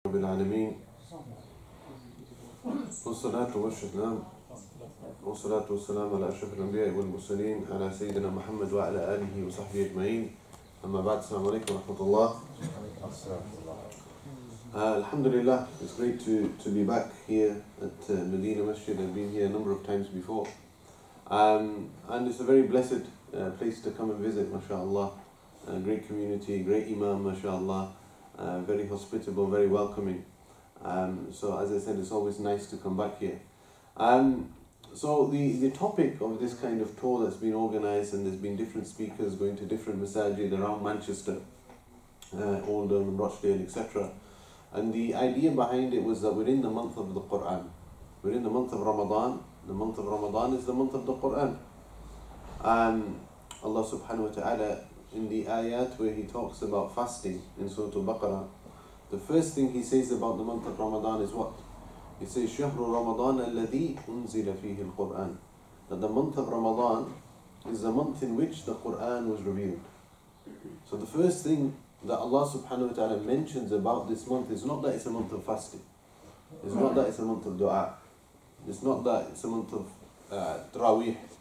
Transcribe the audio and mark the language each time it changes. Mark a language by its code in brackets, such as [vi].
[ar] رب العالمين والصلاة والسلام والصلاة والسلام على أشرف الأنبياء والمرسلين على سيدنا محمد وعلى آله وصحبه أجمعين. أما بعد, السلام عليكم ورحمة الله. الحمد لله. [en] It's great to be back here at Medina Masjid. I've been here a number of times before, and it's a very blessed place to come and visit, mashallah. A great community, great Imam, mashallah. Very hospitable, very welcoming. So as I said, it's always nice to come back here. So the topic of this kind of tour that's been organized, and there's been different speakers going to different masajid around Manchester, Oldham, Rochdale, etc. And the idea behind it was that we're in the month of the Quran. We're in the month of Ramadan. The month of Ramadan is the month of the Quran. Allah subhanahu wa ta'ala, in the ayat where he talks about fasting in Surah Al-Baqarah, the first thing he says about the month of Ramadan is what? He says, [ar] شهر رمضان الذي أنزل فيه القرآن. [en] That the month of Ramadan is the month in which the Quran was revealed. So the first thing that Allah subhanahu wa ta'ala mentions about this month is not that it's a month of fasting. It's not that it's a month of dua. It's not that it's a month of tarawih.